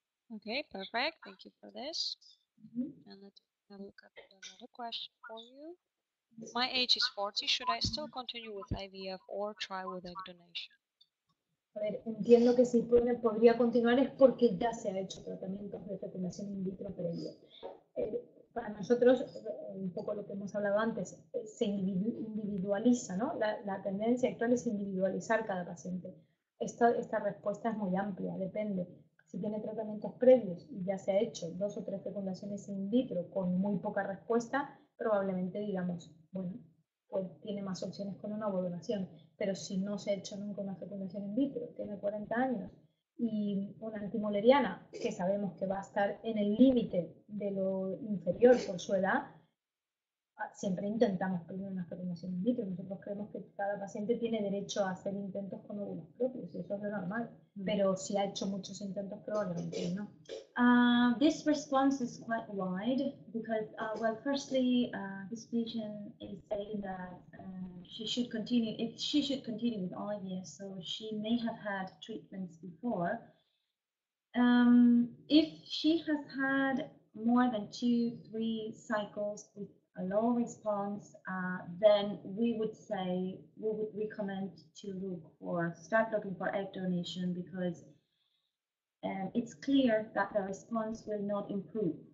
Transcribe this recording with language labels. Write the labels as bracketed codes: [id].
[en] Okay, perfect. Thank you for this. And let me look at another question for you. My age is 40. Should I still continue with IVF or try with egg donation? [es] A ver, entiendo que si puede, podría continuar es porque ya se ha hecho tratamiento de fecundación in vitro previo. Para nosotros, un poco lo que hemos hablado antes, se individualiza, ¿no? La tendencia actual es individualizar cada paciente. Esta respuesta es muy amplia, depende. Si tiene tratamientos previos y ya se ha hecho dos o tres fecundaciones in vitro con muy poca respuesta, probablemente digamos, bueno, pues tiene más opciones con una donación. Pero si no se ha hecho nunca una fecundación in vitro, tiene 40 años y una antimoleriana, que sabemos que va a estar en el límite de lo inferior por su edad, siempre intentamos primero una fecundación in vitro. Nosotros creemos que cada paciente tiene derecho a hacer intentos con óvulos propios, y eso es lo normal. Pero si ha hecho muchos intentos, probablemente no. [en] This response is quite wide because, well, firstly, this patient is saying that she should continue with IVF, so she may have had treatments before. If she has had more than 2-3 cycles with a low response, then we would say, we would recommend to look for, start looking for egg donation because it's clear that the response will not improve.